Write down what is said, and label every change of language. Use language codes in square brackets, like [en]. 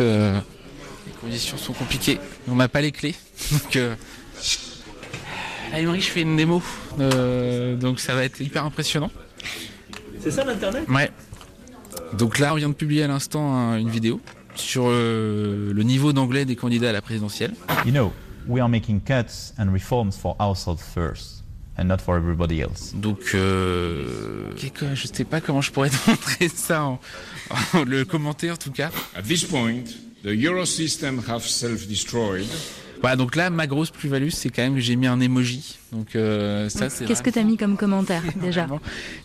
[fr] Les conditions sont compliquées, on n'a pas les clés. Donc, à Emery, je fais une démo, donc ça va être hyper impressionnant. C'est ça l'internet ? Ouais. Donc là, on vient de publier à l'instant une vidéo sur le niveau d'anglais des candidats à la présidentielle. [en] You know, we are making cuts and reforms for ourselves first, and not for everybody else. [fr] Donc, je sais pas comment je pourrais te montrer ça en le commenter en tout cas. [en] At this point. The euro system have self-destroyed. [fr] Voilà, donc là, ma grosse plus-value, c'est quand même que j'ai mis un emoji. Donc, ça, c'est qu'est-ce que t'as mis comme commentaire, déjà ?